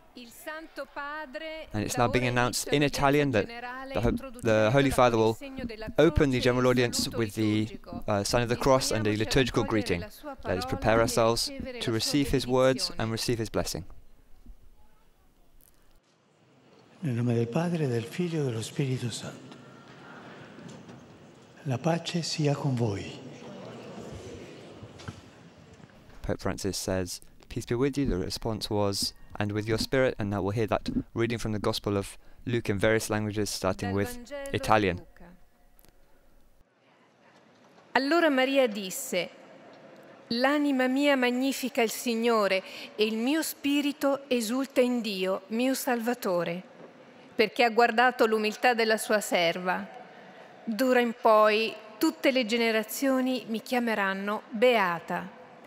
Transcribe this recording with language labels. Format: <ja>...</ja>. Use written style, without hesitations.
<en>And it's now being announced in Italian that the Holy Father will open the general audience with the sign of the cross and a liturgical greeting. Let us prepare ourselves to receive his words and receive his blessing.</en> <it>Nel nome del Padre, del Figlio e dello Spirito Santo. La pace sia con voi.</it> <en>Pope Francis says, "Peace be with you." The response was, "And with your spirit," and now we'll hear that reading from the Gospel of Luke in various languages, starting with Italian.</en> <it>Allora Maria disse, "L'anima mia magnifica il Signore, e il mio spirito esulta in Dio, mio Salvatore, perché ha guardato l'umiltà della sua serva. D'ora in poi tutte le generazioni mi chiameranno beata."</it>